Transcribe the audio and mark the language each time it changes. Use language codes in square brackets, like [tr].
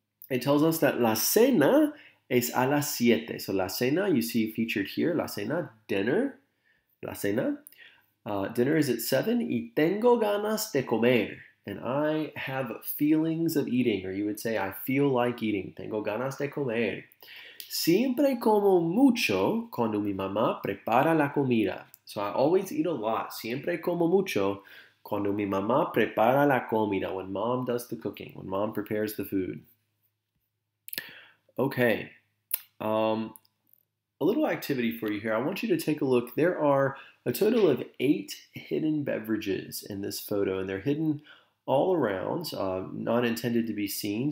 [en] It tells us that [es] la cena es a las 7. [en] So la cena, you see featured here, la cena, dinner, la cena. Dinner is at 7, [es] y tengo ganas de comer. [en] And I have feelings of eating, or you would say, I feel like eating. [es] Tengo ganas de comer. Siempre como mucho cuando mi mamá prepara la comida. [en] So I always eat a lot. [es] Siempre como mucho cuando mi mamá prepara la comida. [en] When mom does the cooking, when mom prepares the food. Okay. A little activity for you here. I want you to take a look. There are a total of 8 hidden beverages in this photo, and they're hidden all around, not intended to be seen.